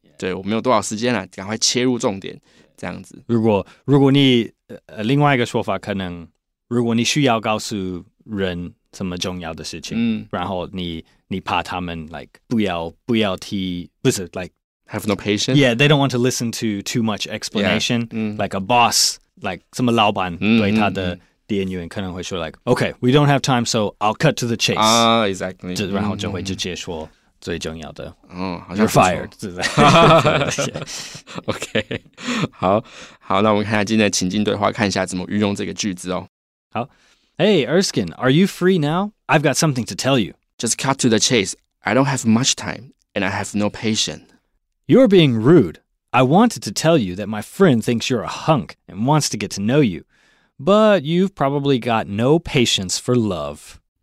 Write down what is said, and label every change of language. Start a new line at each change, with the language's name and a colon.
Chinese: 对，我没有多少时间了，赶快切入重点，这样子。如果你、另外一个说法，可能如果你需要告诉人什么重要的事情，然后你怕他们 like 不要提，不是 like
English: have no patience. Yeah, they don't want to listen to too much explanation. Yeah,、 like a boss, like
Chinese: 什么老板对他的店员可能会说
English: like, okay, we don't have time, so I'll cut to the chase. Ah,、exactly.
Chinese: 就然后就会直接说。最重要的、好像
English: You're fired
Chinese: 是不是 OK 好好那我们看一下今天的情境对话看一下怎么运用这个句子哦
English: 好 Hey Erskine Are you free now? I've got something to tell you Just cut to the chase I don't have much time And I have no patience You're being rude I wanted to tell you that my friend thinks you're a hunk And wants to get to know you But you've probably got no patience for love